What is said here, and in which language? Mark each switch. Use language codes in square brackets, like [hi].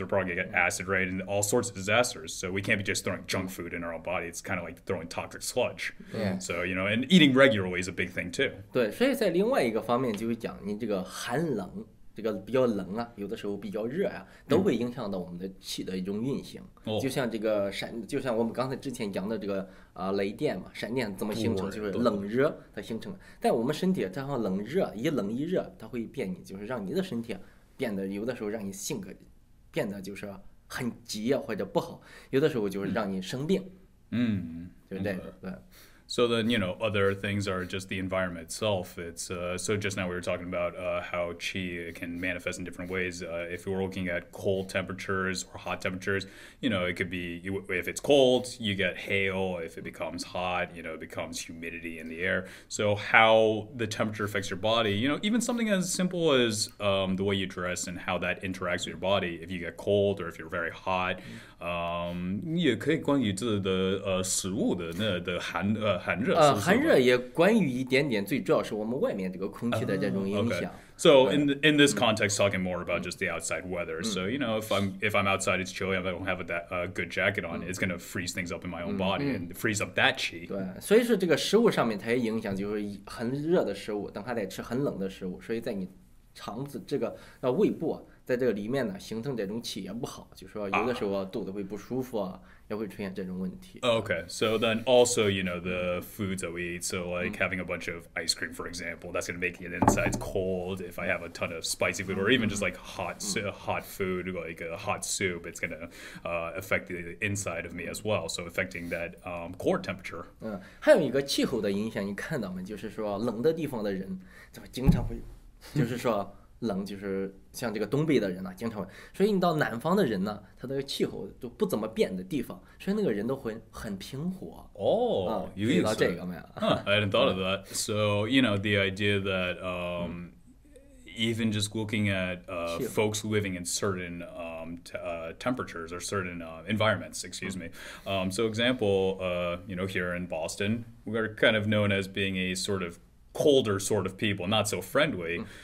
[en] We're probably going to get acid rain and all sorts of disasters. So we can't be just throwing junk food in our own body. It's kind of like throwing toxic sludge. Yeah. So, you know, and eating regularly is a big thing, too. [zh] 对，所以在另外一个方面就会讲，你这个寒冷，这个比较冷啊，有的时候比较热啊，都会影响到我们的气的一种运行。 [en] Oh. [zh] 就像这个闪，就像我们刚才之前讲的这个雷电嘛，闪电怎么形成，就是冷热它形成。但我们身体加上冷热，一冷一热，它会变你，就是让你的身体变得有的时候让你性格变得就是很急啊或者不好，有的时候就是让你生病。嗯，对不对？ [en] Okay. [zh] 对。 [en] So then, you know, other things are just the environment itself. It's, so just now we were talking about how qi can manifest in different ways. If we're looking at cold temperatures or hot temperatures, you know, it could be, if it's cold, you get hail. If it becomes hot, you know, it becomes humidity in the air. So how the temperature affects your body, you know, even something as simple as the way you dress and how that interacts with your body, if you get cold or if you're very hot, [zh] 也可以关于这的食物的那的寒热是不是寒热也关于一点点，最主要是我们外面这个空气的这种影响。 [en] Okay. So in this context, talking more about just the outside weather. So you know, if I'm outside, it's chilly. If I don't have a good jacket on, it's gonna freeze things up in my own body and freeze up that qi. [zh] 对，所以说这个食物上面它也影响，就是很热的食物，等它得吃很冷的食物，所以在你肠子这个胃部啊。在这个里面呢，形成这种气也不好，就是说有的时候肚子会不舒服啊，也会出现这种问题。 [en] Okay, so then also, you know, the foods that we eat, so like having a bunch of ice cream, for example, that's going to make the insides cold. If I have a ton of spicy food, or even just like hot food, like a hot soup, it's going to affect the inside of me as well, so affecting that core temperature. [zh] 还有一个气候的影响，你看到吗？就是说冷的地方的人，就经常会，就是说冷，就是像这个东北的人呢、啊，经常会。所以你到南方的人呢，他的气候就不怎么变的地方，所以那个人都会很平和。哦，有意思。遇到这个没有、 [en] huh, ？I hadn't thought of that. So you know the idea that even just looking at folks living in certain temperatures or certain environments, excuse me. So example, you know, here in Boston, we are kind of known as being a sort of colder sort of people, not so friendly.